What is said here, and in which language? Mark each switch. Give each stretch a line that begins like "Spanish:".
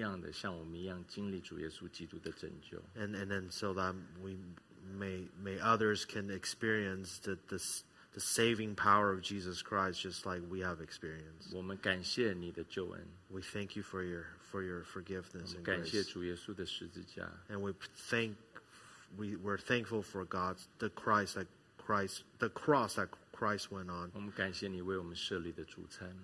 Chinese: 让人能够同样的像我们一样经历主耶稣基督的拯救。
English: And then so that we may others can experience the saving power of Jesus Christ just like we have experienced.
Chinese: 我们感谢你的救恩。
English: We thank you for your forgiveness and grace.
Chinese: 感谢主耶稣的十字架。
English: And we're thankful for God's the cross that Christ went on.
Chinese: 我们感谢你为我们设立的主餐。